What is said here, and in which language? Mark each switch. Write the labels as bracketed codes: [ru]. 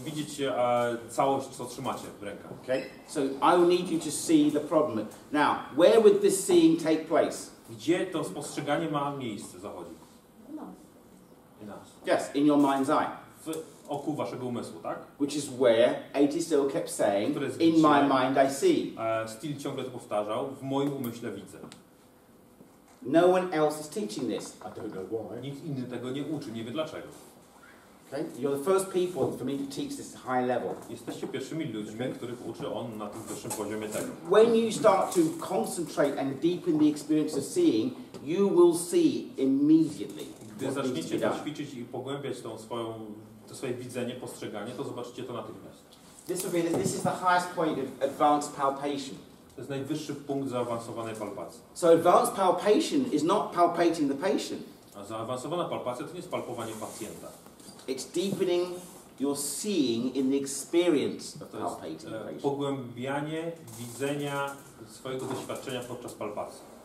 [pl] Widzieć całość, co trzymacie w rękach. [en] Okay, so I will need you to see the problem. Now, where would this seeing take place? [pl] Gdzie to spostrzeganie ma miejsce, zachodzi? [en] In us. In us. Yes, in your mind's eye. [pl] Oku waszego umysłu, tak? [en] Which is where AT still kept saying, in my mind I see. [pl] Still ciągle to powtarzał, w moim umyśle widzę. [en] No one else is teaching this. I don't know why. [pl] Nikt inny tego nie uczy, nie wie dlaczego. [en] Okay? You're the first people for me to teach this high level. [pl] Jesteście pierwszymi ludźmi, których uczy on na tym wyższym poziomie tego. [en] When you start to concentrate and deepen the experience of seeing, you will see immediately. [pl] Gdy zaczniecie to ćwiczyć i pogłębiać tą swoją to swoje widzenie, postrzeganie, to zobaczycie to natychmiast. [en] This is the highest point of advanced palpation. [pl] To jest najwyższy punkt zaawansowanej palpacji. [en] So advanced palpation is not palpating the patient. [pl] A zaawansowana palpacja to nie jest palpowanie pacjenta. [en] It's deepening your seeing in the experience of palpating the patient. [pl] Pogłębianie widzenia swojego doświadczenia podczas palpacji.